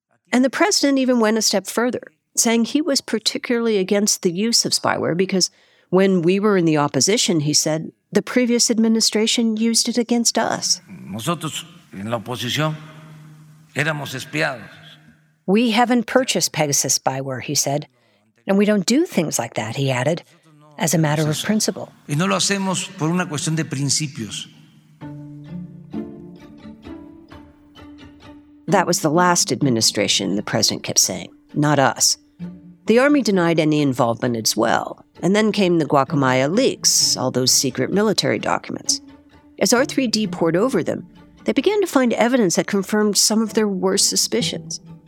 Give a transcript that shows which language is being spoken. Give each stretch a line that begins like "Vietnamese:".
English: And the president even went a step further, saying he was particularly against the use of spyware because when we were in the opposition, he said, the previous administration used it against us.
Spanish: Nosotros, en la oposición, éramos espiados.
English: We haven't purchased Pegasus spyware, he said, and we don't do things like that, he added, as a matter of principle.
Spanish: Y no lo hacemos por una cuestión de principios.
English: That was the last administration, the president kept saying, not us. The army denied any involvement as well, and then came the Guacamaya leaks, all those secret military documents. As R3D pored over them, they began to find evidence that confirmed some of their worst suspicions.